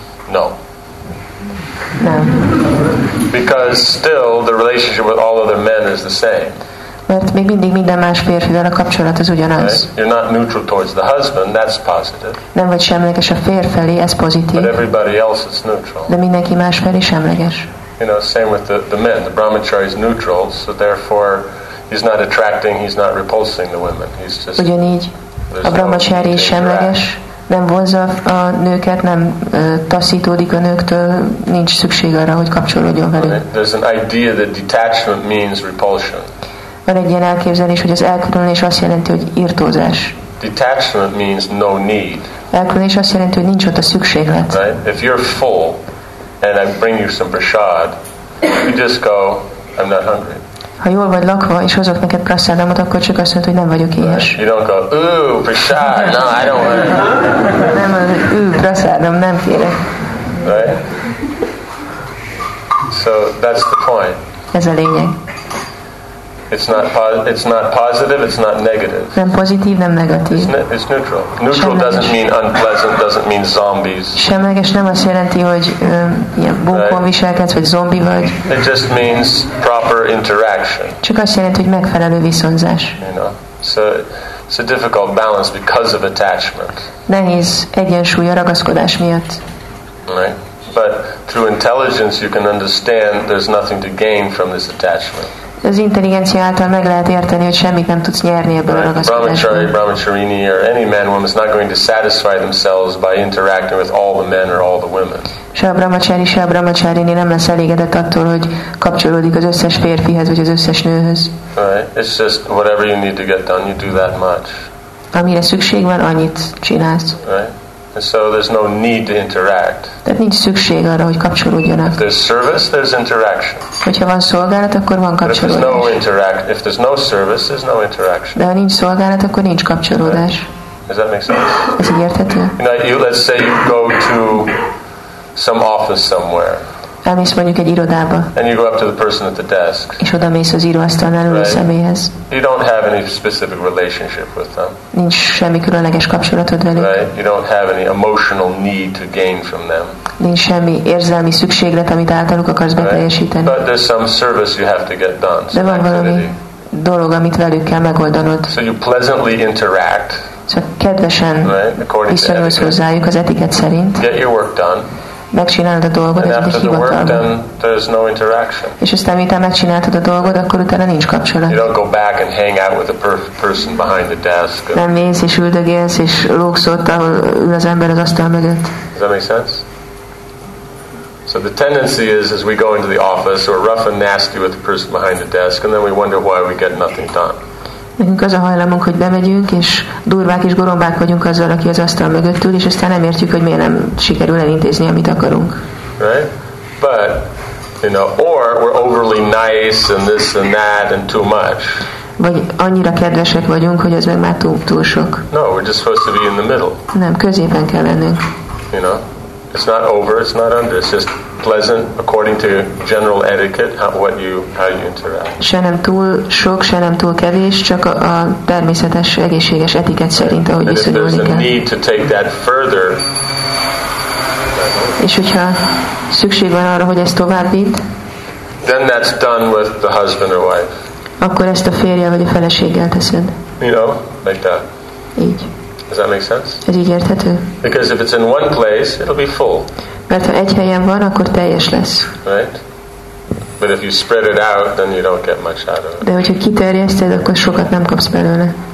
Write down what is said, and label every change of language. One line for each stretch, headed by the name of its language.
English: No. No. Because still the relationship with all other men is the same.
Hungarian: Mert még mindig minden más férfivel a kapcsolat az ugyanaz.
English: Right? You're not neutral towards the husband, that's positive.
Hungarian: Nem vagy semleges a fér felé, ez pozitív.
English: But everybody else is neutral.
Hungarian: De mindenki más felé semleges.
English: You know, same with the men. The brahmachari is neutral, so therefore he's not attracting, he's not repulsing the women. He's just.
Hungarian: Ugyanígy. A brahmachari is semleges, nem vonza a nőket, nem taszítódik a nőktől, nincs szükség arra, hogy kapcsolódjon velük.
English: There's an idea that detachment means repulsion.
Hungarian: Van egy ilyen elképzelés, hogy az elkülönés azt jelenti, hogy irtózás.
English: Detachment means no need.
Hungarian: Elkülönés azt jelenti, hogy nincs ott a szükséglet.
English: Right? If you're full and I bring you some prasad, you just go, I'm not hungry.
Hungarian: Ha jól vagy lakva és hozok neked prasadamot, akkor csak azt mondod, hogy nem vagyok éhes.
English: Right. You don't go, ooh, prasad, no, I don't want it.
Hungarian: Nem, ooh, prasadam, nem kérek.
English: Right? So that's the point.
Hungarian: Ez a lényeg.
English: It's not positive, it's not negative.
Hungarian: Nem pozitív, nem negatív.
English: It's neutral. Neutral
Hungarian: semleges.
English: Doesn't mean unpleasant, doesn't mean zombies.
Hungarian: Semleges nem azt jelenti, hogy ilyen bunkon viselkedsz, vagy zombi vagy.
English: It just means proper interaction.
Hungarian: Csak azt jelenti, hogy megfelelő viszonzás.
English: You know, so it's a difficult balance because of attachment.
Hungarian: Nehéz egyensúly a ragaszkodás miatt.
English: Right. But through intelligence you can understand there's nothing to gain from this attachment.
Hungarian: Az intelligencia által meg lehet érteni, hogy semmit nem tudsz nyerni ebből a ragaszkodásból.
English: Brahmachari, brahmacharini, or any man, woman is not going to satisfy themselves by interacting with all the men or all the women.
Hungarian: Se a brahmachari, se a brahmacharini nem lesz elégedett attól, hogy kapcsolódik az összes férfihez vagy az összes nőhöz.
English: Right. It's just whatever you need to get done, you do that much.
Hungarian: Amire szükség van, annyit csinálsz.
English: Right. And so there's no need to interact.
Hungarian: Tehát nincs szükség arra, hogy kapcsolódjanak.
English: If there's service, there's interaction.
Hungarian: Hogyha van szolgálat, akkor van kapcsolódás.
English: If there's no service, there's no interaction.
Hungarian: De ha nincs szolgálat, akkor nincs kapcsolódás.
English: Does that make sense?
Hungarian: Ez így érthető?
English: You know, let's say you go to some office somewhere.
Hungarian: Elmész mondjuk egy irodába.
English: And you go up to the person at the desk.
Hungarian: És oda mész az íróasztalnál ülő személyhez.
English: You don't have any specific relationship with them.
Hungarian: Nincs semmi különleges kapcsolatod velük.
English: Right? You don't have any emotional need to gain from them.
Hungarian: Nincs semmi érzelmi szükséglet, amit általuk akarsz beteljesíteni.
English: Right? But there's some service you have to get done.
Hungarian: De van valami dolog, amit velük kell megoldanod.
English: So you pleasantly interact.
Hungarian: Szóval kedvesen viszonyulsz hozzájuk az etiket szerint.
English: Get your work done.
Hungarian: megcsinálod a dolgot, ez egy hivatal. És aztán miután megcsináltad a dolgot, akkor utána nincs kapcsolat.
English: You don't go back and hang out with the person behind the desk.
Hungarian: Nem mész és üldögélsz és lógsz ott, ahol ül az ember az asztal mögött.
English: Does that make sense? So the tendency is, as we go into the office, we're rough and nasty with the person behind the desk, and then we wonder why we get nothing done.
Hungarian: Nekünk az a hajlamunk, hogy bemegyünk, és durvák és gorombák vagyunk azzal, aki az asztal mögött ül, és aztán nem értjük, hogy miért nem sikerül elintézni, amit akarunk.
English: Right? But, you know, or we're overly nice, and this and that, and too much.
Hungarian: Vagy annyira kedvesek vagyunk, hogy az meg már túl sok.
English: No, we're just supposed to be in the middle.
Hungarian: Nem, középen kell lennünk.
English: You know? It's not over, it's not under, it's just pleasant according to general etiquette how you interact.
Hungarian: Se nem túl sok, se nem túl kevés, csak a természetes, egészséges etikett szerint, ahogy viszonyulni kell.
English: And if there's a need to take that further,
Hungarian: és hogyha szükség van arra, hogy ezt tovább vidd,
English: then that's done with the husband or wife.
Hungarian: Akkor ezt a férjel vagy a feleséggel teszed.
English: You know, like that.
Hungarian: Így.
English: Does that make sense?
Hungarian: Ez így érthető?
English: Because if it's in one place, it'll be full.
Hungarian: Mert ha egy helyen van, akkor teljes lesz.
English: Right? But if you spread it out, then you don't get much out of it.
Hungarian: De hogyha kiterjeszted, akkor sokat nem kapsz belőle.